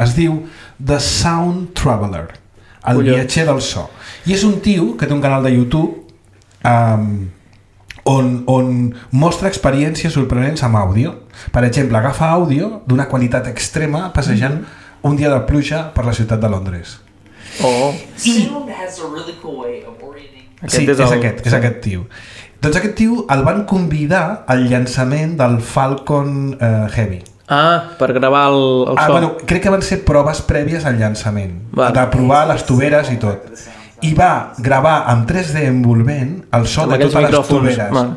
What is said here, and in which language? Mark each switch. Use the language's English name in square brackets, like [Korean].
[Catalan] Es diu The Sound Traveler, el viatger del so. I és un tio que té un canal de YouTube on mostra experiències sorprenents amb àudio. Per exemple, agafa àudio d'una qualitat extrema passejant un dia de pluja per la ciutat de Londres. Oh. I... [English] Sound has a really cool way of orienting. [Catalan] Sí, és aquest tio. Doncs aquest tio el van convidar al llançament del Falcon Heavy. Ah, per gravar el so. Bueno, crec que van ser proves prèvies al llançament, de provar les toberes i tot. I va gravar amb 3D envolvent el so de totes les tuberes.